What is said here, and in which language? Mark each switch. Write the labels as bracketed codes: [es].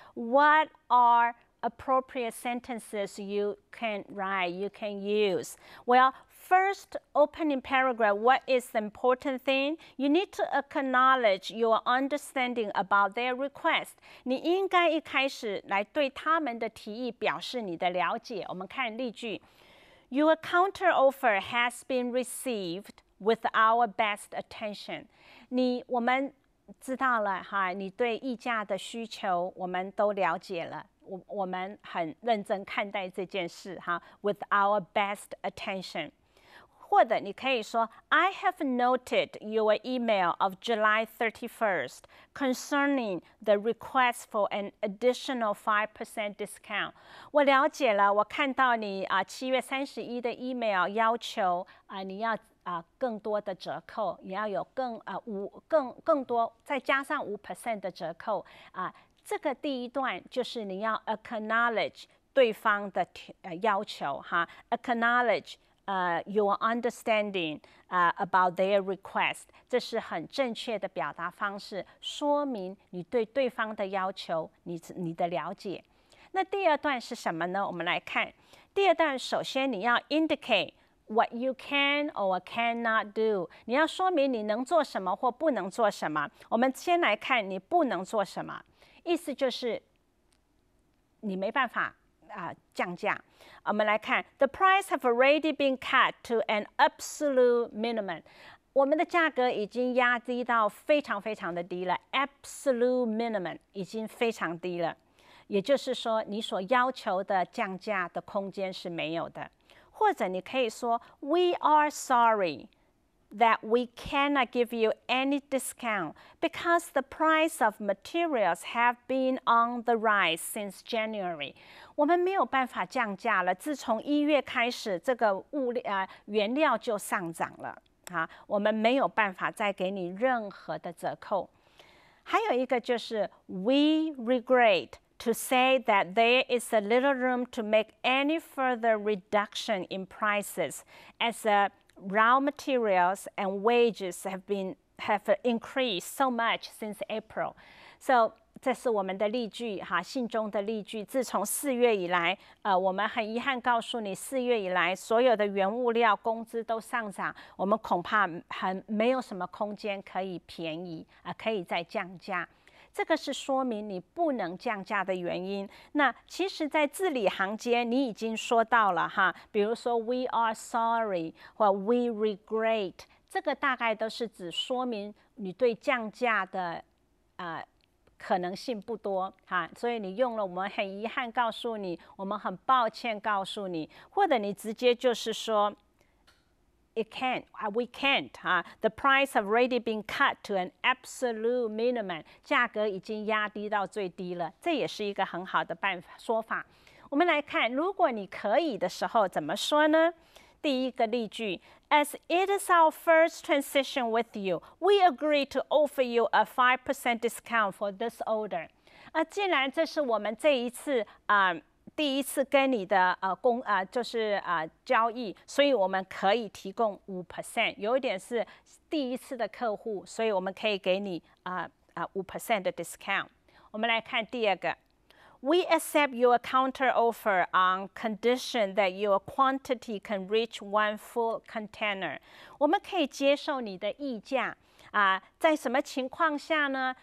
[en] What are appropriate sentences you can write, you can use? Well, first opening paragraph, what is the important thing? You need to acknowledge your understanding about their request. [zh] 你应该一开始来对他们的提议表示你的了解。我们看例句。 [en] Your counteroffer has been received with our best attention. [zh] 我们知道了哈，你对议价的需求我们都了解了，我们很认真看待这件事哈。 [en] With our best attention. [zh] 或者你可以说 [en] I have noted your email of July 31st concerning the request for an additional 5% discount. [zh] 我了解了，我看到你7月31的 email 要求你要更多的折扣，你要有 更多再加上 5% 的折扣这个第一段就是你要 acknowledge 对方的要求哈 [en] acknowledge your understanding about their request. [zh] 这是很正确的表达方式，说明你对对方的要求 你的了解。那第二段是什么呢？我们来看第二段，首先你要 [en] indicate what you can or cannot do. [zh] 你要说明你能做什么或不能做什么。我们先来看你不能做什么，意思就是你没办法降价。我们来看 [en] The price have already been cut to an absolute minimum. [zh] 我们的价格已经压低到非常非常的低了， [en] absolute minimum [zh] 已经非常低了，也就是说你所要求的降价的空间是没有的。或者你可以说 [en] We are sorry that we cannot give you any discount because the price of materials have been on the rise since January. [zh] 我们没有办法降价了，自从一月开始这个原料就上涨了，我们没有办法再给你任何的折扣。还有一个就是 [en] We regret to say that there is a little room to make any further reduction in prices as araw materials and wages have increased so much since April. [zh] So, 这是我们的例句，信中的例句，自从四月以来我们很遗憾告诉你，四月以来所有的原物料工资都上涨，我们恐怕很没有什么空间可以便宜可以再降价。这个是说明你不能降价的原因。那其实在字里行间你已经说到了哈，比如说 [en] we are sorry [zh] 或 we regret， 这个大概都是指说明你对降价的可能性不多哈，所以你用了我们很遗憾告诉你，我们很抱歉告诉你，或者你直接就是说 [en] It can't, we can't. The price has already been cut to an absolute minimum. [zh] 价格已经压低到最低了，这也是一个很好的办法说法。我们来看，如果你可以的时候怎么说呢？第一个例句 [en] ，As it is our first transition with you, we agree to offer you a 5% discount for this order. [zh] 既然这是我们这一次第一次跟你的就是交易，所以我们可以提供 5%， 有一点是第一次的客户，所以我们可以给你5% 的 discount。 我们来看第二个 [en] We accept your counteroffer on condition that your quantity can reach one full container. [zh] 我们可以接受你的议价啊，在什么情况下呢？